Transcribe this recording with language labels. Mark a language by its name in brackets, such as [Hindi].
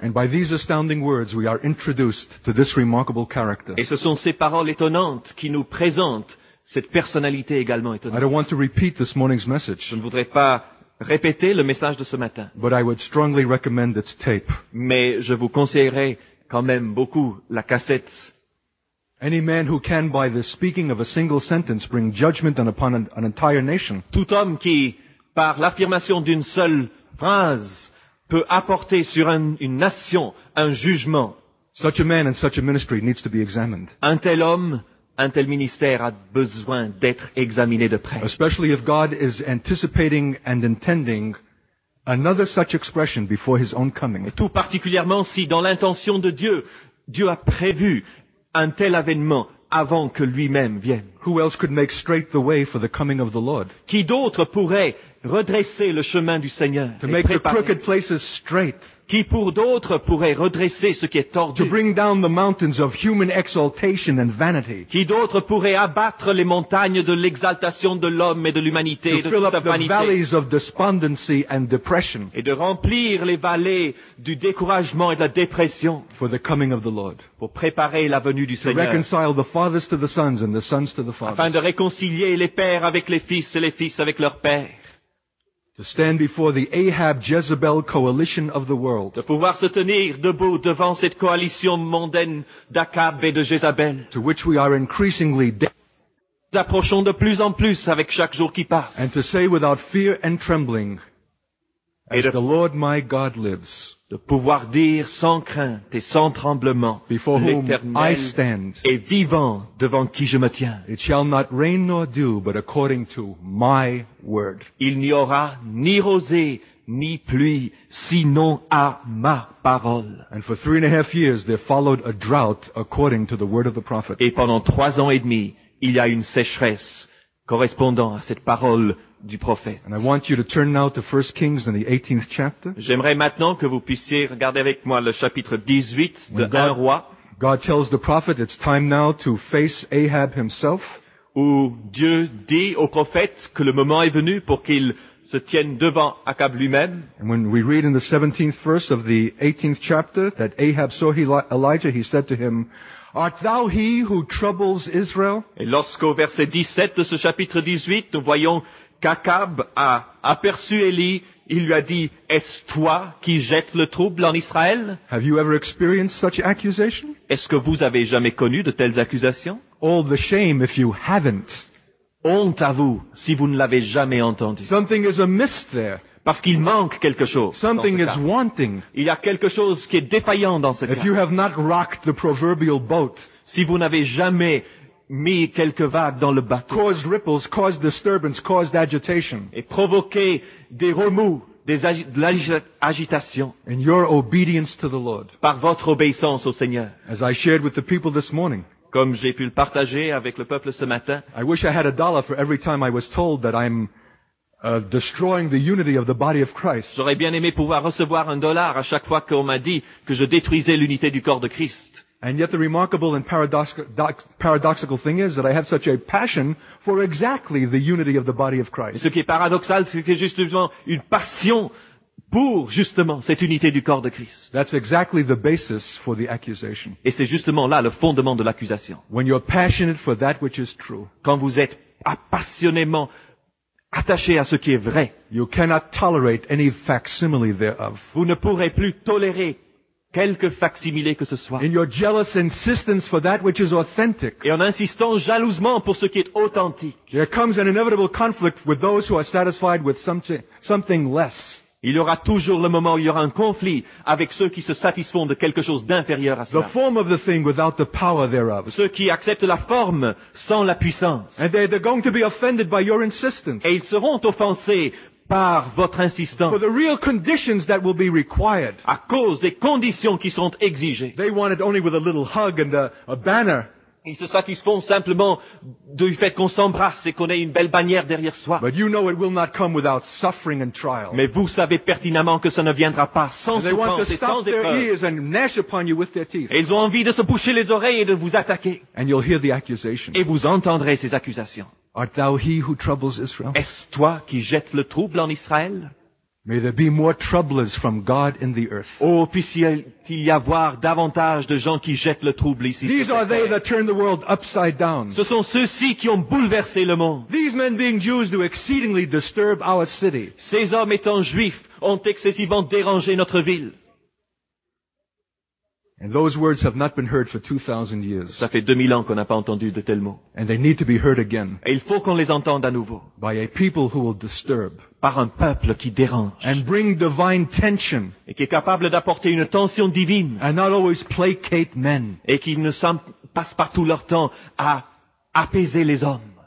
[English] And by these astounding words, we are introduced to this remarkable character. [French] Et ce sont ces paroles étonnantes qui nous présentent cette personnalité également étonnante. [English] I don't want to repeat this morning's message. [French] Je ne voudrais pas répétez le message de ce matin. [English] But I would strongly recommend its tape. [French] Mais je vous conseillerais quand même beaucoup la cassette. [English] Any man who can by the speaking of a single sentence bring judgment upon an entire nation. [French] Tout homme qui par l'affirmation d'une seule phrase peut apporter sur une nation un jugement. [English] Such a man and such a ministry needs to be examined. [French] Un tel homme, un tel ministère a besoin d'être examiné de près. [English] Especially if God is anticipating and intending another such expression before his own coming. [French] Et tout particulièrement si dans l'intention de Dieu, Dieu a prévu un tel avènement avant que lui-même vienne. [English] Who else could make straight the way for the coming of the Lord? [French] Qui d'autre pourrait redresser le chemin du Seigneur? [English] To make the crooked places straight. [French] Qui pour d'autres pourrait redresser ce qui est tordu. [English] To bring down the mountains of human exaltation and vanity. [French] Qui d'autres pourrait abattre les montagnes de l'exaltation de l'homme et de l'humanité et de toute sa vanité. [English] To fill up the valleys of despondency and depression. [French] Et de remplir les vallées du découragement et de la dépression. [English] For the coming of the Lord. [French] Pour préparer la venue du Seigneur. [English] To reconcile the fathers to the sons and the sons to the fathers. [French] Afin de réconcilier les pères avec les fils et les fils avec leurs pères. [English] To stand before the Ahab-Jezebel coalition of the world. [French] De pouvoir se tenir debout devant cette coalition mondaine d'Akab et de Jézabel. [English] To which we are increasingly [French] nous approchons de plus en plus avec chaque jour qui passe. [English] And to say without fear and trembling, as the Lord my God lives. [French] De pouvoir dire sans crainte et sans tremblement, [English] before whom I stand. [French] Est vivant devant qui je me tiens. [English] It shall not rain nor dew, but according to my word. [French] Il n'y aura ni rosée ni pluie, sinon à ma parole. [English] And for 3.5 years there followed a drought according to the word of the prophet. [French] Et pendant 3 ans et demi, il y a une sécheresse correspondant à cette parole. [English] And I want you to turn now to 1 Kings in the 18th chapter. [French] J'aimerais maintenant que vous puissiez regarder avec moi le chapitre 18 de 1 Roi. [English] God tells the prophet it's time now to face Ahab himself. [French] Où Dieu dit au prophète que le moment est venu pour qu'il se tienne devant Akab lui-même. [English] And when we read in the 17th verse of the 18th chapter that Ahab saw Elijah, he said to him, Art thou he who troubles Israel? [French] Et lorsqu'au verset 17 de ce chapitre 18, nous voyons qu'Akab a aperçu Élie, il lui a dit, est-ce toi qui jettes le trouble en Israël? [English] Have you ever experienced such accusation? [French] Est-ce que vous avez jamais connu de telles accusations? [English] All the shame if you haven't. [French] Honte à vous si vous ne l'avez jamais entendu. [English] Something is amiss there. [French] Parce qu'il manque quelque chose. [English] Something is wanting. [French] Il y a quelque chose qui est défaillant dans ce cas. [English] If you have not rocked the proverbial boat, [French] si vous n'avez jamais mis quelques vagues dans le bateau, [English] caused ripples, caused disturbance, caused agitation, [French] et provoqué des remous, de l'agitation, [English] and your obedience to the Lord, [French] par votre obéissance au Seigneur, [English] as I shared with the people this morning, [French] comme j'ai pu le partager avec le peuple ce matin, [English] I wish I had a dollar for every time I was told that I'm destroying the unity of the body of Christ. [French] J'aurais bien aimé pouvoir recevoir un dollar à chaque fois qu'on m'a dit que je détruisais l'unité du corps de Christ. [English] And yet the remarkable and paradoxical thing is that I have such a passion for exactly the unity of the body of Christ. [French] Ce qui est paradoxal, c'est que j'ai justement une passion pour justement cette unité du corps de Christ. [English] That's exactly the basis for the accusation. [French] Et c'est justement là le fondement de l'accusation. [English] When you're passionate for that which is true. [French] Quand vous êtes passionnément attaché à ce qui est vrai. [English] You cannot tolerate any facsimile thereof. [French] Vous ne pourrez plus tolérer quelque facsimilé que ce soit. [English] In your jealous insistence for that which is authentic. [French] Et en insistant jalousement pour ce qui est authentique. [English] There comes an inevitable conflict with those who are satisfied with something less. [French] Il y aura toujours le moment où il y aura un conflit avec ceux qui se satisfont de quelque chose d'inférieur à cela. [English] The form of the thing without the power thereof. [French] Ceux qui acceptent la forme sans la puissance. [English] And they're going to be offended by your insistence. [French] Et ils seront offensés par votre insistance. [English] For the real conditions that will be required. [French] À cause des conditions qui sont exigées. [English] They want it only with a little hug and a banner. [French] Ils se satisfont simplement du fait qu'on s'embrasse et qu'on ait une belle bannière derrière soi. [English] But you know it will not come without suffering and trial. [French] Mais vous savez pertinemment que ça ne viendra pas sans souffrance et sans épreuve. Ils ont envie de se boucher les oreilles et de vous attaquer. [English] And you'll hear the accusation. [French] Et vous entendrez ces accusations. [English] Art thou he who troubles Israel? [French] Est-ce toi qui jettes le trouble en Israël? [English] May there be more troublers from God in the earth. [French] Oh, puisse-t-il y avoir davantage de gens qui jettent le trouble ici. [English] These are they that turn the world upside down. [French] Ce sont ceux-ci qui ont bouleversé le monde. [English] These men being Jews do exceedingly disturb our city. [French] Ces hommes étant juifs ont excessivement dérangé notre ville. [English] And those words have not been heard for 2,000 years. [French] Ça fait 2000 ans qu'on n'a pas entendu de tels mots. [English] And they need to be heard again. [French] Et il faut qu'on les entende à nouveau. [English] By a people who will disturb. [French] Par un peuple qui dérange. [English] And bring divine tension. [French] Et qui est capable d'apporter une tension divine. [English] And not always placate men. [French] Et qui ne passe pas tout leur temps à apaiser les hommes.